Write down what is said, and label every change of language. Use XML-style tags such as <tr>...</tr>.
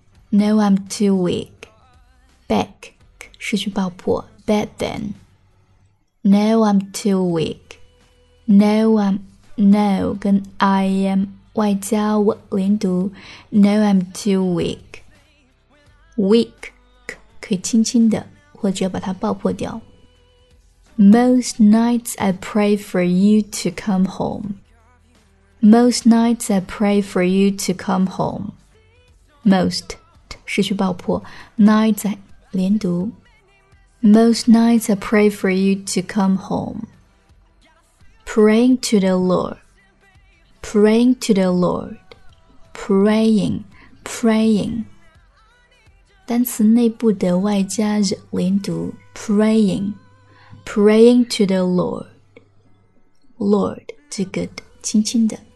<en>No, I'm too weak. Back.</en> <zh>失去爆破。</zh> <en>Back then. No, I'm too weak. No, I'm... No,</en> <zh>跟</zh> <en>I am</en> <zh>外加我连读。</zh> <en>No, I'm too weak. Weak.</en> <zh>可以轻轻的，或者把它爆破掉。</zh> <en>Most nights I pray for you to come home. Most nights I pray for you to come home. Most,</en> <zh>失去爆破。</zh> <en>Nights,</en> <zh>连读。</zh> <en>Most nights I pray for you to come home. Praying to the Lord. Praying to the Lord. Praying, praying.</en> <zh>单词内部的外加 z 连读。</zh> <en>Praying, praying to the Lord. Lord, to good,</en> <zh>轻轻的。</zh>